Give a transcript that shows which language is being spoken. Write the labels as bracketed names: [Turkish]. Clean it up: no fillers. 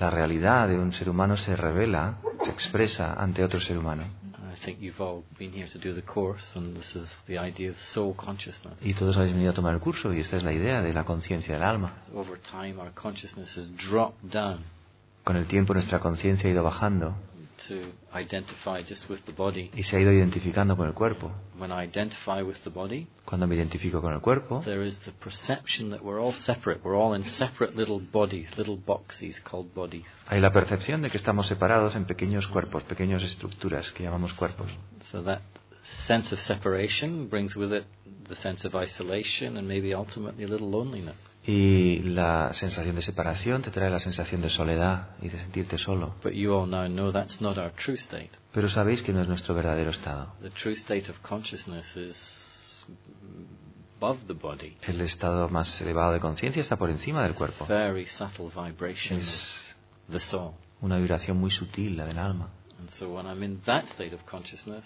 [Spanish] La realidad de un ser humano se revela, se expresa ante otro ser humano. [English] I think you've all been here to do the course, and this is the idea of soul consciousness. [Spanish] Y todos habéis venido a tomar el curso, y esta es la idea de la conciencia del alma. [English] Over time, our consciousness has dropped down. [Spanish] Con el tiempo, nuestra conciencia ha ido bajando. [English] To identify just with the body. [Spanish] Y se ha ido identificando con el cuerpo. [English] When I identify with the body, [Spanish] cuando me identifico con el cuerpo, [English] there is the perception that we're all separate. We're all in separate little bodies, little boxes called bodies. [Spanish] Hay la percepción de que estamos separados en pequeños cuerpos, pequeñas estructuras que llamamos cuerpos. [English] So that sense of separation brings with it the sense of isolation and maybe ultimately a little loneliness. [Spanish] Y la sensación de separación te trae la sensación de soledad y de sentirte solo. [English] But you all now know that's not our true state. [Spanish] Pero sabéis que no es nuestro verdadero estado. [English] The true state of consciousness is above the body. [Spanish] El estado más elevado de conciencia está por encima del cuerpo. [English] Very subtle vibration is the soul. [Spanish] Una vibración muy sutil, la del alma. [English] And so when I'm in that state of consciousness,